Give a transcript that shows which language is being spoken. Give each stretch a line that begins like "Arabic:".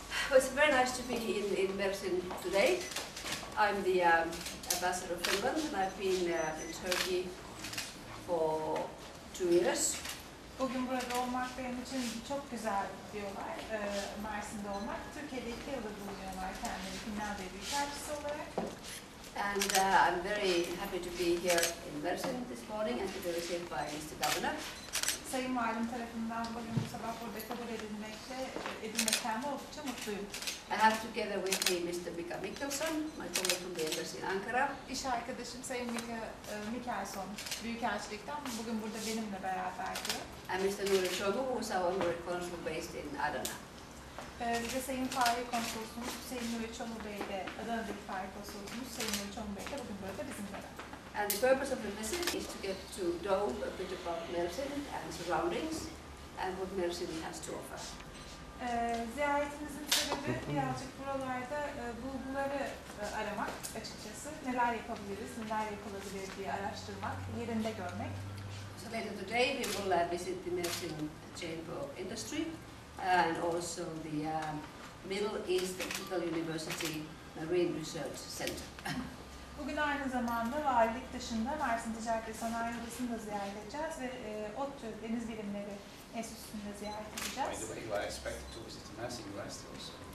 English: Well, it's very nice to be in Mersin today. I'm the ambassador of Finland, and I've been in Turkey for 2 years.
Turkish: Bugün burada olmak benim için çok güzel diyorlar. Mersin'de olmak, Türkiye'de 2 yıldır bulunuyorlar kendileri Finlandiya Büyükelçisi olarak.
English: And I'm very happy to be here in Mersin this morning and to be received by Mr. Governor.
Turkish: Sayın Valim tarafından bugün bu sabah burada kabul edilmekten oldukça mutluyum.
English: I have together with me Mr. Mika Mikkelson, my colleague from the embassy in Ankara.
Turkish: İş arkadaşım Sayın Mika Mikkelson, Büyükelçilikten bugün burada benimle beraberdi.
English: And Mr. Nuri Çoğlu, who is our honorary consul based in Adana.
Turkish: Bize Sayın Fahri Konsolosumuz, Sayın Nuri Çoğlu Bey de Adana'daki Fahri Konsolosumuz, Sayın Nuri Çoğlu Bey de bugün burada bizimle beraber.
English: And the purpose of the visit is to get to know a bit about Mersin and surroundings and what Mersin has to offer.
Turkish: Ziyaretimizin sebebi birazcık buralarda bulguları aramak açıkçası. Neler yapabiliriz, neler yapılabilir diye araştırmak, yerinde görmek.
English: So later today we will visit the Mersin Chamber of Industry and also the Middle East Technical University Marine Research Center.
Turkish: Bugün aynı zamanda valilik dışında Mersin Ticaret ve Sanayi Odası'nı da ziyaret edeceğiz ve ODTÜ Deniz Bilimleri Enstitüsü'nü de ziyaret edeceğiz.
English: By the way, you are expected to visit Mersin University also.